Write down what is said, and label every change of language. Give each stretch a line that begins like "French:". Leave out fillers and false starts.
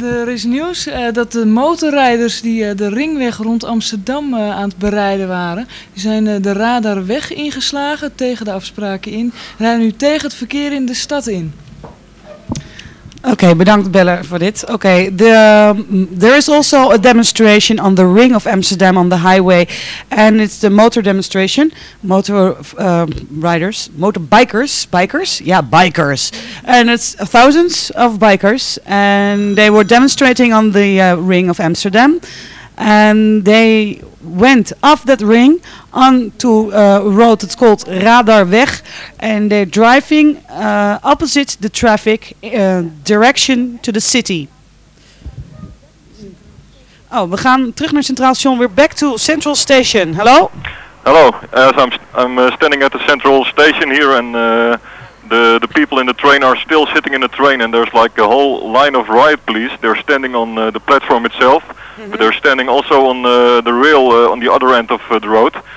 Dutch: Er is nieuws dat de motorrijders die de ringweg rond Amsterdam aan het bereiden waren, die zijn de radar weg ingeslagen tegen de afspraken in, rijden nu tegen het verkeer in de stad in. Okay, bedankt beller voor dit.
English: Okay, there is also a demonstration on the ring of Amsterdam on the highway, and it's the motor demonstration, bikers, and it's thousands of bikers, and they were demonstrating on the ring of Amsterdam, and they went off that ring onto a road that's called Radarweg, and they're driving opposite the traffic direction to the city.
Dutch: Oh, we gaan terug naar Centraal Station, weer
English: back to Central Station. Hello? Hello, I'm standing at the Central Station here and the people in the train are still sitting in the train and there's like a whole line of riot police. They're standing on the platform itself, mm-hmm. but they're standing also on the rail on the other end of the road.